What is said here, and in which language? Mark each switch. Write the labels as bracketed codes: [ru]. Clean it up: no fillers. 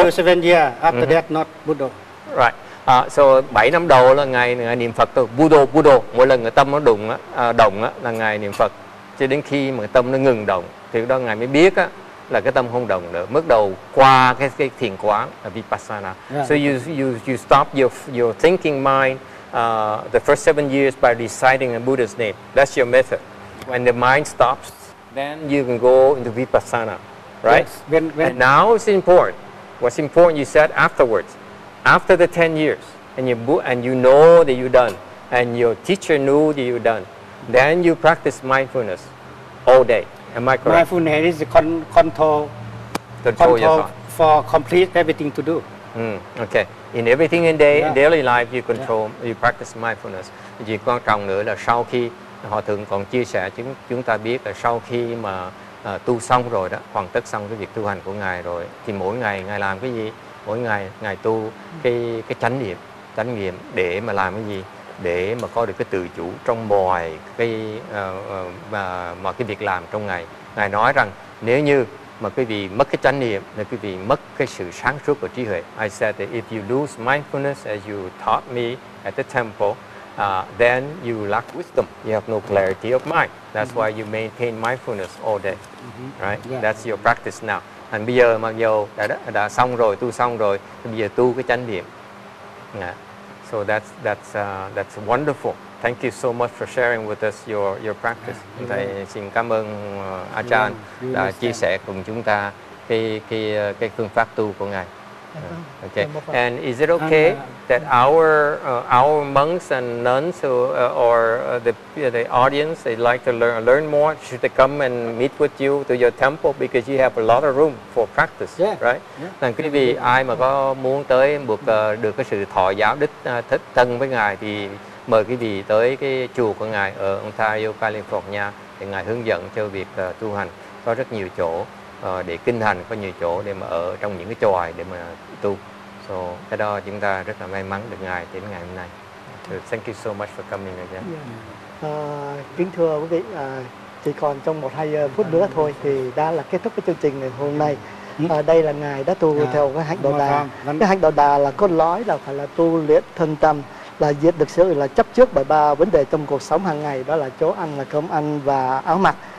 [en] After 7 years, after that not Buddha. Right. [vi] So 7 năm đầu là ngài niệm Phật thôi. Buddha. Mỗi lần cái tâm nó động á, là ngài niệm Phật. Cho đến khi mà tâm nó ngừng động, thì đó ngài mới biết á, là cái tâm không động nữa. Bắt đầu qua cái thiền quán là Vipassana. [en] Yeah. So you stop your thinking mind the first 7 years by reciting a Buddha's name. That's your method. When the mind stops, then you can go into Vipassana, right? Yes. When and now it's important. What's important you said afterwards, after the 10 years, and you know that you're done, and your teacher knew that you're done, then you practice mindfulness all day. Am I correct? Mindfulness is control your for complete everything to do. Okay. In everything in day, yeah. daily life, you control, yeah. you practice mindfulness. [vi] Vì quan trọng nữa là sau khi họ thường còn chia sẻ chúng ta biết là sau khi mà tu xong rồi đó, hoàn tất xong cái việc tu hành của ngài rồi, thì mỗi ngày ngài làm cái gì? Mỗi ngày ngài tu cái chánh niệm để mà làm cái gì? Để mà có được cái tự chủ trong mọi cái mà cái việc làm trong ngày. Ngài nói rằng nếu như mà quý vị mất cái chánh niệm, nếu quý vị mất cái sự sáng suốt của trí huệ. [en] I said that if you lose mindfulness as you taught me at the temple, then you lack wisdom. You have no clarity of mind. That's why you maintain mindfulness all day. Right? Yeah. That's your practice now. And [vi] bây giờ mặc dù đã xong rồi, tu xong rồi, bây giờ tu cái chánh niệm. [en] So that's wonderful. Thank you so much for sharing with us your practice. [vi] Thầy xin cảm ơn Achan đã chia sẻ cùng chúng ta cái phương pháp tu của ngài. [en] Okay. And is it okay that our monks and nuns or the audience they like to learn more, should they come and meet with you to your temple because you have a lot of room for practice, yeah. right? Yeah. [vi] Quý vị ai mà có muốn tới được cái sự thọ giáo đích thân với ngài thì mời quý vị tới cái chùa của ngài ở Ontario, California để ngài hướng dẫn cho việc tu hành. Có rất nhiều chỗ để kinh hành, có nhiều chỗ để mà ở trong những cái chòi để mà tu. So cái đó chúng ta rất là may mắn được ngài đến ngày hôm nay. [en] So, thank you so much for coming again. [vi] Kính thưa quý vị, chỉ còn trong 1-2 phút nữa thôi thì đã là kết thúc cái chương trình ngày hôm nay. Đây là ngài đã tu theo cái hạnh Đạo Đà. Cái hạnh Đạo Đà là cốt lõi là phải là tu luyện thân tâm, là diệt được sự là chấp trước bởi ba vấn đề trong cuộc sống hàng ngày, đó là chỗ ăn, là cơm ăn và áo mặc.